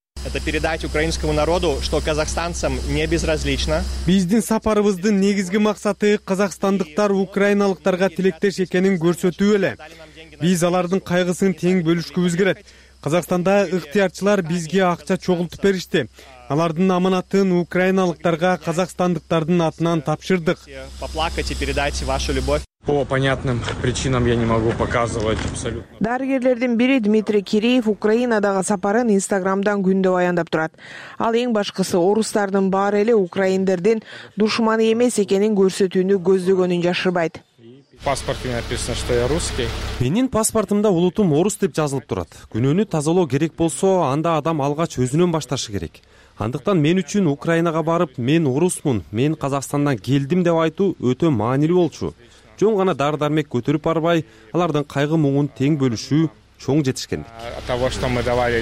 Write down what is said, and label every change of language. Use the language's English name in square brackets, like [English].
[Russian] Это передать украинскому народу, что казахстанцам не безразлично. [Kyrgyz] Биздин сапарыбыздын негизги максаты казахстандыктар украиналыктарга тилектеш экенин көрсөтүү эле. Биз алардын кайгысын тең бөлүшкүбүз керек. Казахстанда ыктыярчылар бизге акча чогултуп беришти. Алардын аманатын украиналыктарга казахстандыктардын атынан тапшырдык. [Russian] Поплакать и передать вашу любовь. По понятным причинам я не могу показывать абсолютно. [Kyrgyz] Дарыгерлердин бири Дмитрий Киреев Украинадагы сапарын Инстаграмдан күндө баяндап турат. Ал эң башкысы орустардын баары эле украиндердин душманы эмес экенин көрсөтүүнү көздөгөнүн жашырбайт. [Russian] Паспортуме написано, что я русский. [Kyrgyz] Менин паспортумда улутум орус деп жазылып турат. Күнөөнү тазалоо керек болсо, анда адам алгач өзүнөн башташы керек. Андыктан мен үчүн Украинага барып, мен орусмун, мен Казахстандан келдим деп айтуу өтө маанилүү болчу. Жөн гана дары-дармек көтөрүп барбай, алардын кайгы муңун тең бөлүшүү чоң жетишкендик.